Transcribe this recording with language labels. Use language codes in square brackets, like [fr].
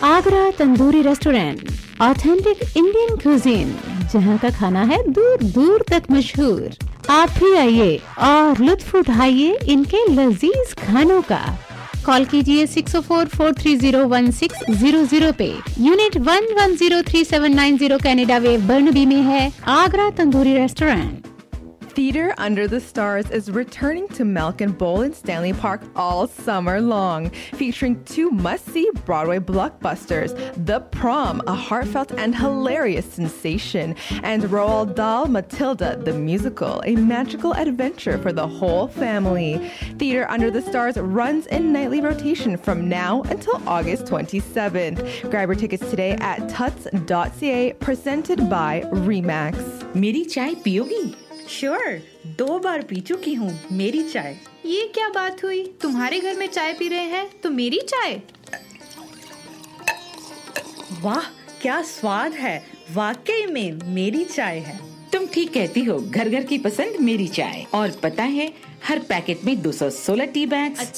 [hi] Agra tandoori restaurant authentic Indian cuisine जहाँ का खाना है दूर दूर तक मशहूर आप भी आइए और लुत्फ उठाइए इनके लजीज खानों का कॉल कीजिए 604-430-1600 पे यूनिट 1103790 कनाडा वे बर्नबी में है Agra tandoori restaurant [en] Theater Under the Stars is returning to Malkin Bowl in Stanley Park all summer long, featuring two must-see Broadway blockbusters, The Prom, a heartfelt and hilarious sensation, and Roald Dahl, Matilda, the musical, a magical adventure for the whole family. Theater Under the Stars runs in nightly rotation from now until August 27th. Grab your tickets today at tuts.ca, presented by Remax. [hi] Meri chai piyogi. Sure दो बार P चुकी हूँ मेरी चाय ये क्या बात हुई तुम्हारे घर में चाय पी रहे हैं तो मेरी चाय वाह क्या स्वाद है वाकई में मेरी चाय है तुम ठीक कहती हो घर घर की पसंद मेरी चाय और पता है हर पैकेट में 216 टी बैग्स